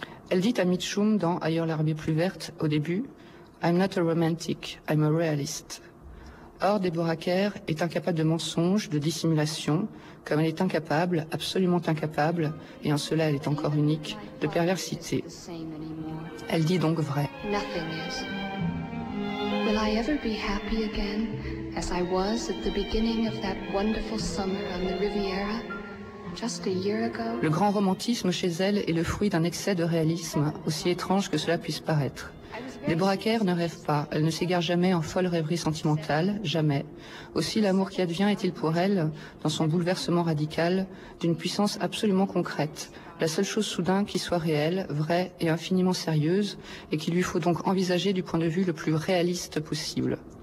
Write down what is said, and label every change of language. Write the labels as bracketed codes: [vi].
[fr] Elle dit à Mitchum dans « Ailleurs l'herbe plus verte » au début « [en] I'm not a romantic, I'm a realist ». [fr] Or, Deborah Kerr est incapable de mensonge, de dissimulation, comme elle est incapable, absolument incapable, et en cela elle est encore unique, de perversité. Elle dit donc vrai. [en] Nothing is. Will I ever be happy again, as I was at the beginning of that wonderful summer on the Riviera? Just a year ago. [fr] Le grand romantisme chez elle est le fruit d'un excès de réalisme, aussi étrange que cela puisse paraître. Deborah Kerr ne rêve pas, elle ne s'égare jamais en folle rêverie sentimentale, jamais. Aussi l'amour qui advient est-il pour elle, dans son bouleversement radical, d'une puissance absolument concrète, la seule chose soudain qui soit réelle, vraie et infiniment sérieuse, et qu'il lui faut donc envisager du point de vue le plus réaliste possible.